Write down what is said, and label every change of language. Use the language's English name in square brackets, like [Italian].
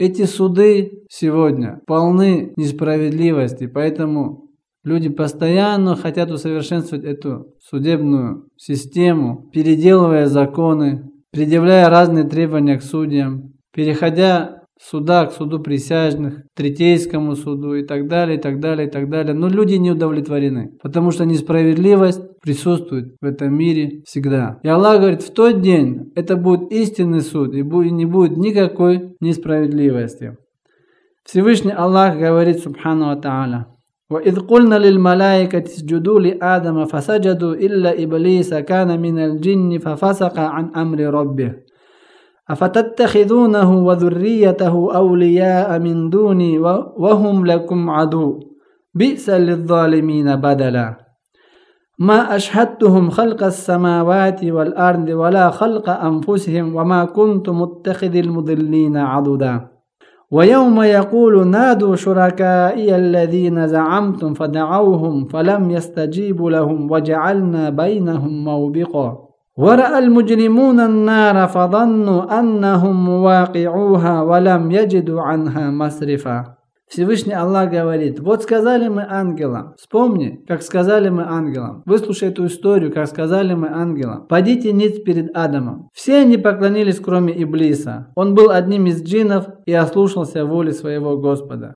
[Russian] Эти суды сегодня полны несправедливости, поэтому люди постоянно хотят усовершенствовать эту судебную систему, переделывая законы, предъявляя разные требования к судьям, переходя суда к суду присяжных, третейскому суду и так далее, и так далее, и так далее. Но люди не удовлетворены, потому что несправедливость присутствует в этом мире всегда. И Аллах говорит, в тот день это будет истинный суд, и не будет никакой несправедливости. Всевышний Аллах говорит, [Arabic] субхану ва тааля, وَإِذْ قُلْنَا لِلْمَلَائِكَةِ اسْجُدُوا لِآدَمَ فَسَجَدُوا إِلَّا إِبْلِيسَ كَانَ مِنَ الْجِنِّ فَفَسَقَ عَنْ أَمْرِ رَبِّهِ أَفَتَتَّخِذُونَهُ وَذُرِّيَّتَهُ أَوْلِيَاءَ مِنْ دُونِي وَهُمْ لَكُمْ عَدُوٌّ بِئْسَ لِلظَّالِمِينَ بَدَلًا مَا أَشْهَدْتُهُمْ خَلْقَ السَّمَاوَاتِ وَالْأَرْضِ وَلَا خَلْقَ أَنْفُسِهِمْ وَمَا كُنْتُ مُتَّخِذَ الْمُضِلِّينَ عَضُدًا وَيَوْمَ يَقُولُ نَادُوا شُرَكَائِيَ الَّذِينَ زَعَمْتُمْ فَدَعَوْهُمْ فَلَمْ يَسْتَجِيبُوا لَهُمْ وَجَعَلْنَا بَيْنَهُمْ مَوْبِقًا وَرَأَى الْمُجْرِمُونَ النَّارَ فَظَنُّوا أَنَّهُمْ مُوَاقِعُوهَا وَلَمْ يَجِدُوا عَنْهَا مَصْرِفًا. [Russian] Всевышний Аллах говорит, вот сказали мы ангелам, вспомни, как сказали мы ангелам, выслушай эту историю, как сказали мы ангелам, падите ниц перед Адамом. Все они поклонились, кроме Иблиса. Он был одним из джиннов и ослушался воли своего Господа.